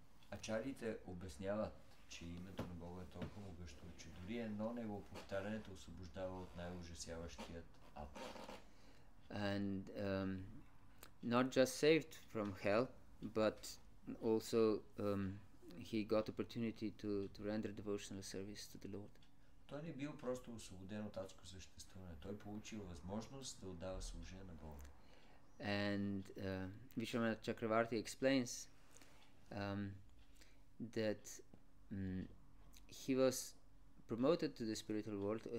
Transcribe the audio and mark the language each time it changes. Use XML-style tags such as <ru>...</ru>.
<bg>Ачарите обясняват, че името на Бога е толкова могъщо, че дори едно негово повтаряне те освобождава от най-ужасяващият ад.</bg> <en>And not just saved from hell, but also he got opportunity to render devotional service to the Lord.</en> <bg>Той не бил просто освободен от адско съществуване. Той получил възможност да отдава служение на Бога.</bg> <en>And Vishwamana Chakravarti explains that he was promoted to the spiritual world.</en>